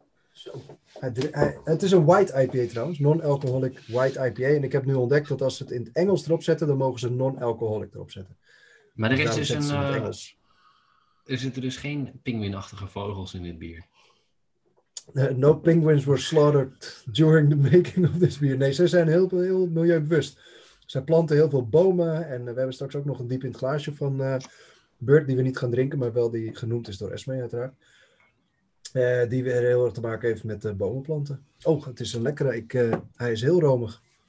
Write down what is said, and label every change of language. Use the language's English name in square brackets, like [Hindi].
[Dutch] Zo. Het is een white IPA trouwens. Non-alcoholic white IPA. En ik heb nu ontdekt dat als ze het in het Engels erop zetten, dan mogen ze non-alcoholic erop zetten. Maar er is dus er zitten dus geen pinguïnachtige vogels in dit bier. [English] No penguins were slaughtered during the making of this beer. [Dutch] Nee, ze zijn heel, heel milieubewust. Ze planten heel veel bomen. En we hebben straks ook nog een diep in het glaasje van Bird, die we niet gaan drinken, maar wel die genoemd is door Esme uiteraard. Die weer heel erg te maken heeft met bomenplanten. Oh, het is een lekkere. Hij is heel romig.